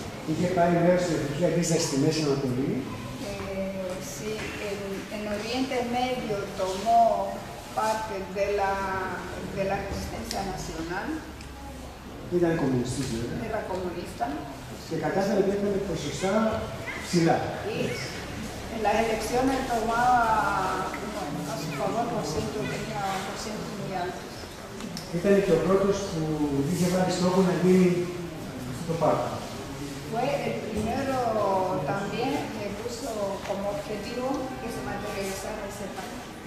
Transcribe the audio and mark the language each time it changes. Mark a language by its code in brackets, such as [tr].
[el] Είχε πάει μέρος του Εθνική Αντίσταση στη Μέση Ανατολή. [es] Sí, en Oriente Medio tomó parte de la resistencia nacional. [el] Ήταν κομμουνιστής, βέβαια. [es] Era comunista. [el] Και κατάφερε να έκανε ποσοστά ψηλά. [es] En las elecciones tomaba, a su favor, por ciento, tenía por ciento muy altos. [el] Ήταν και ο πρώτος που είχε βάλει στόχο να γίνει στο πάρκο. [es] Fue el primero también que puso como objetivo que se materializara ese parque.